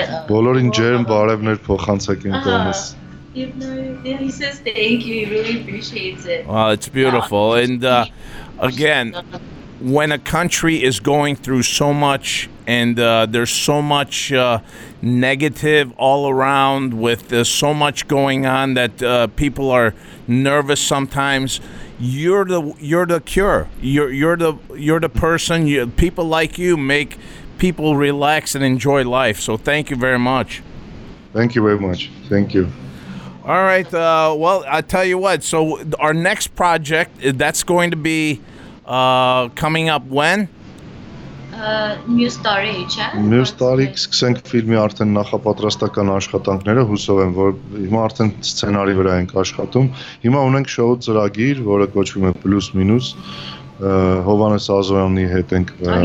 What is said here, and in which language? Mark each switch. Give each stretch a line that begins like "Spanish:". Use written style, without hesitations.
Armenian: Բոլոր ինջերն բարևներ փոխանցեք դոմս.
English: Well, it's beautiful. And again, when a country is going through so much and there's so much negative all around with so much going on that people are nervous sometimes, you're the cure. You're the person. People like you make people relax and enjoy life. So thank you very much. Thank you very much. Thank you. All right. Well, I tell you what. So our next project, that's going to be coming up when?
Armenian: Մյուս տարի սկսենք ֆիլմի արդեն նախապատրաստական աշխատանքները, հուսով եմ, որ հիմա արդեն սցենարի վրա ենք աշխատում, հիմա ունենք շոու ծրագիր, որը կոչվում է Plus Minus, Հովհանես Ազոյանի հետ ենք.